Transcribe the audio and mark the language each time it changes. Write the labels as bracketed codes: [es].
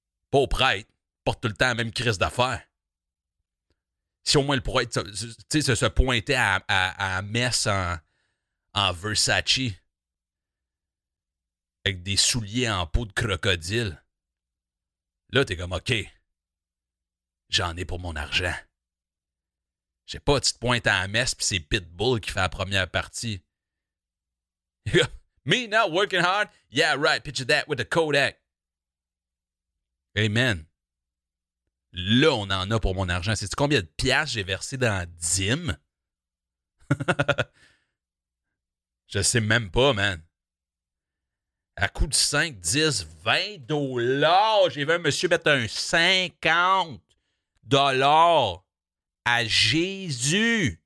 [fr] Pas au prêtre, porte tout le temps la même crise d'affaires. Si au moins le prêtre, tu sais, se pointait à messe en Versace avec des souliers en peau de crocodile, là, t'es comme, OK, j'en ai pour mon argent. J'ai pas, tu te pointes à la messe pis c'est Pitbull qui fait la première partie. [en] Me not working hard? Yeah, right, picture that with the Kodak. Amen. [fr] Là, on en a pour mon argent. Sais-tu combien de piastres j'ai versé dans la dîme? Je sais même pas, man. À coup de 5, 10, 20 $, j'ai vu un monsieur mettre un 50 $ à Jésus.